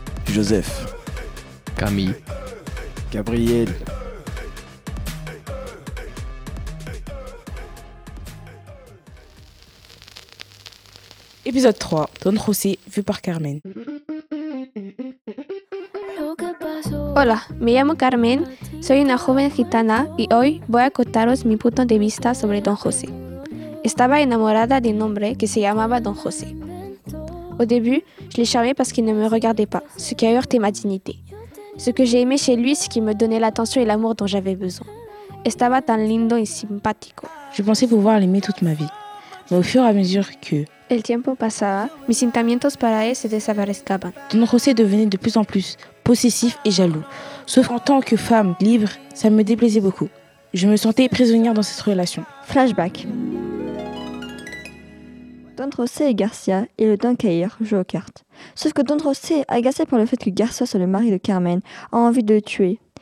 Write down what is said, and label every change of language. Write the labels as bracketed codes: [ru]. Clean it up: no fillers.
[fr] Joseph. Camille. Gabriel. Épisode 3, Don José, vu par Carmen. [es] Hola, me llamo Carmen, soy una joven gitana y hoy voy a contaros mi punto de vista sobre Don José. Estaba enamorada de un hombre que se llamaba Don José. [fr] Au début, je l'ai charmé parce qu'il ne me regardait pas, ce qui a heurté ma dignité. Ce que j'ai aimé chez lui, c'est qu'il me donnait l'attention et l'amour dont j'avais besoin. [es] Estaba tan lindo y simpático. [fr] Je pensais pouvoir l'aimer toute ma vie, mais au fur et à mesure que... [es] El tiempo pasaba, mis sentimientos para él se desvanecían. [fr] Don José devenait de plus en plus possessif et jaloux. Sauf qu'en tant que femme libre, ça me déplaisait beaucoup. Je me sentais prisonnière dans cette relation. Flashback. Don José et Garcia et le Dunkeyer jouent aux cartes. Sauf que Don José, agacé par le fait que Garcia soit le mari de Carmen, a envie de le tuer.